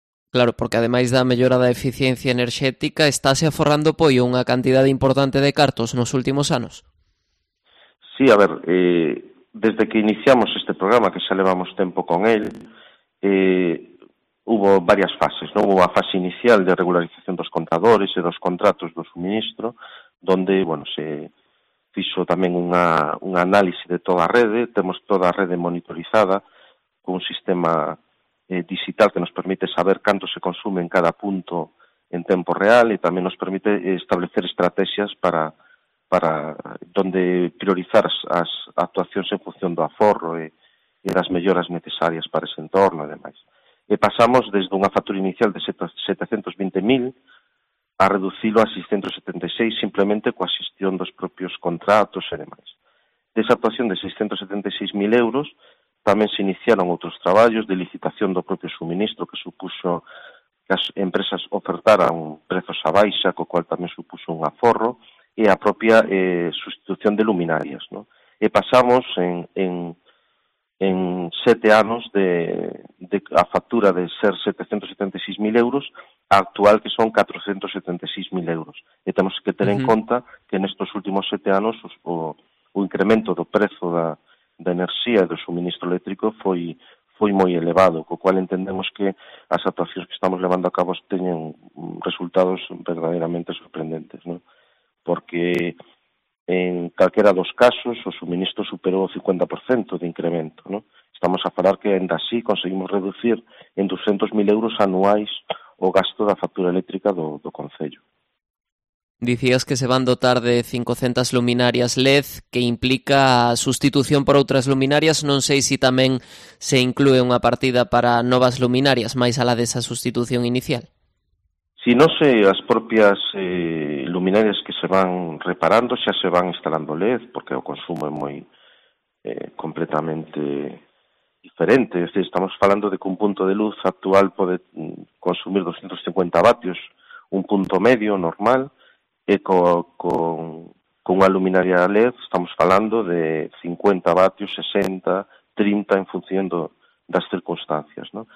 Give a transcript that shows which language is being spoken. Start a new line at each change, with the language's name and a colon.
Galician: Claro, porque ademais da mellora da eficiencia enerxética, estáse aforrando Poio unha cantidade importante de cartos nos últimos anos. Sí, a ver, desde que iniciamos este programa, que xa levamos tempo con él, hubo varias fases, ¿no? Hubo a fase inicial de regularización dos contadores e dos contratos do suministro, donde, bueno, se fixo tamén unha análise de toda a rede, temos toda a rede monitorizada, un sistema digital que nos permite saber canto se consume en cada punto en tempo real e tamén nos permite establecer estrategias para donde priorizar as actuacións en función do aforro e das melloras necesarias para ese entorno e demais. E pasamos desde unha factura inicial de 720.000 a reducilo a 676 simplemente coa xestión dos propios contratos e demais. Desa actuación de 676.000 euros tamén se iniciaron outros traballos de licitación do propio suministro que supuxo que as empresas ofertaran prezos a baixa, co cual tamén supuxo un aforro, e a propia sustitución de luminarias, ¿no? E pasamos en 7 anos de a factura de ser 776.000 euros a actual que son 476.000 euros. E temos que tener en conta que nestos últimos 7 anos o incremento do prezo da enerxía e do suministro eléctrico foi moi elevado, co cual entendemos que as actuacións que estamos levando a cabo teñen resultados verdadeiramente sorprendentes, ¿no? Porque en calquera dos casos o suministro superou o 50% de incremento, ¿no? Estamos a falar que ainda así conseguimos reducir en 200.000 euros anuais o gasto da factura eléctrica do concello. Dicías que se van dotar de 500 luminarias LED, que implica sustitución por outras luminarias. Non sei se tamén se inclúe unha partida para novas luminarias, máis alá desa sustitución inicial.
Spanish: Si no sé, las propias luminarias que se van reparando, ya se van instalando LED, porque el consumo es muy completamente diferente. Es decir, estamos hablando de que un punto de luz actual puede consumir 250 vatios, un punto medio normal, y con una luminaria LED estamos hablando de 50 vatios, 60, 30, en función de las circunstancias, ¿no?